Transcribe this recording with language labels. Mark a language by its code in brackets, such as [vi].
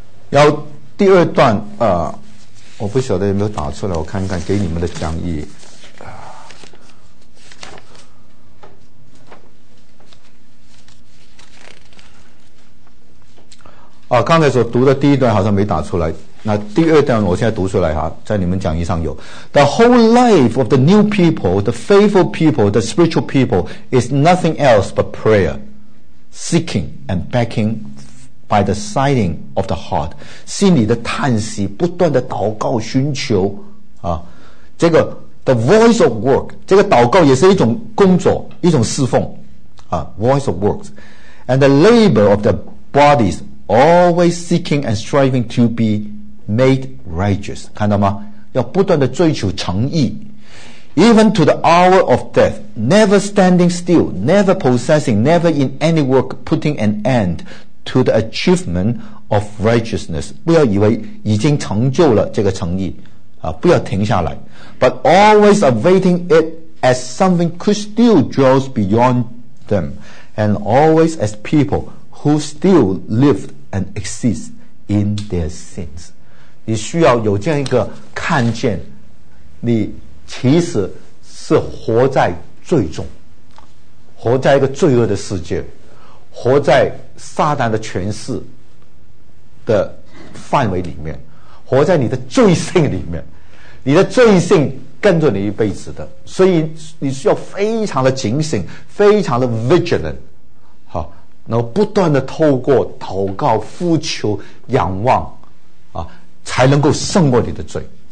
[zh] 然后第二段我不晓得有没有打出来，我看看给你们的讲义刚才所读的第一段好像没打出来，那第二段我现在读出来哈，在你们讲义上有。 [en] The whole life of the new people, the faithful people, the spiritual people is nothing else but prayer, seeking and begging by the sighting of the heart, [zh] 心里的叹息，不断的祷告寻求啊。这个 [en] the voice of work， [zh] 这个祷告也是一种工作，一种侍奉啊， [en] voice of works and the labor of the bodies always seeking and striving to beMade righteous， [zh] 看到吗？要不断的追求诚义， [en] even to the hour of death, never standing still, never possessing, never in any work putting an end to the achievement of righteousness. [zh] 不要以为已经成就了这个诚意，不要停下来。 [en] But always awaiting it as something could still draw beyond them, and always as people who still lived and exist in their sins. [zh] 你需要有这样一个看见，你其实是活在罪中，活在一个罪恶的世界，活在撒旦的权势的范围里面，活在你的罪性里面，你的罪性跟着你一辈子的，所以你需要非常的警醒，非常的 vigilant， 好，然后不断的透过祷告、呼求、仰望，才能够胜过你的罪。